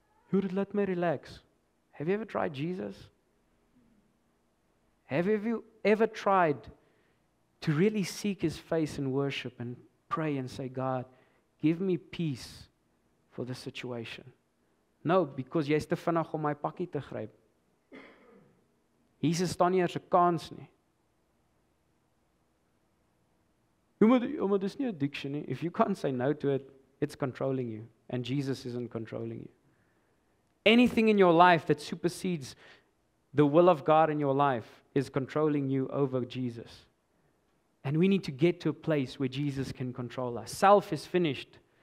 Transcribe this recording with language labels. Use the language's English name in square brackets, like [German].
[English] Who did let me relax? Have you ever tried Jesus? Have you ever tried to really seek His face in worship and pray and say, God, give me peace for the situation. No, because [Afrikaans] jy is te vinnig om my pakkie te gryp. Jesus staan nie eers 'n kans nie. Omdat dis nie 'n addiction nie. [English] If you can't say no to it, it's controlling you. And Jesus isn't controlling you. Anything in your life that supersedes the will of God in your life is controlling you over Jesus. And we need to get to a place where Jesus can control us. Self is finished.